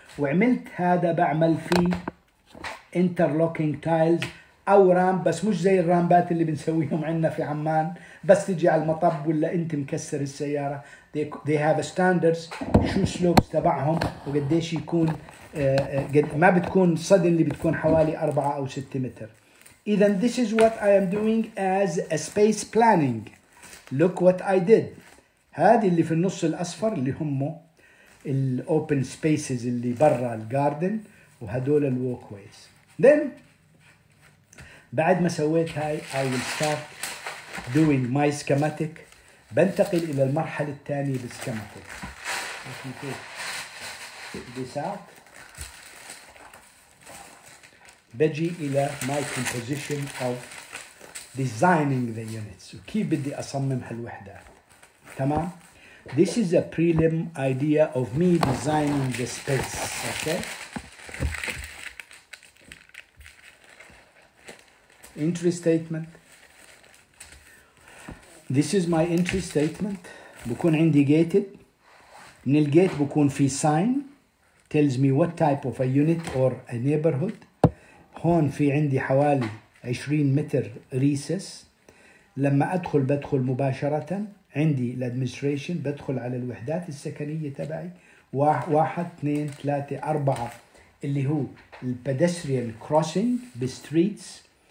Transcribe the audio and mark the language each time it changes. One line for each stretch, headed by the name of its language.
Arabic: وعملت هذا بعمل فيه interlocking tiles أو رامب، بس مش زي الرامبات اللي بنسويهم عنا في عمان بس تجي على المطب ولا أنت مكسر السيارة.
English: they have standards
Arabic: شو سلوبس تبعهم وقديش يكون، ما بتكون صدن اللي بتكون حوالي 4 أو 6 متر. إذن
English: this is what I am doing as a space planning. Look what I did.
Arabic: هذه اللي في النص الأصفر اللي هم الopen spaces اللي برا الgarden، وهدول الwalkways.
English: Then
Arabic: بعد ما سويت هاي
English: I will start doing my schematic.
Arabic: بنتقل إلى المرحلة الثانية بالschematic.
English: This out.
Arabic: بجي إلى
English: my composition of designing the units.
Arabic: وكيف بدي أصمم هالوحدة، تمام؟
English: This is a prelim idea of me designing the space. Okay. Entry statement. This is my entry statement.
Arabic: بكون عندي gated. من الجيت بكون في sign.
English: Tells me what type of a unit or a neighborhood.
Arabic: هون في عندي حوالي 20 متر recess. لما أدخل بدخل مباشرة عندي الادمنستريشن بدخل على الوحدات السكنية تبعي. واحد اثنين ثلاثة أربعة اللي هو البيدستريال كروسينج بستريتس.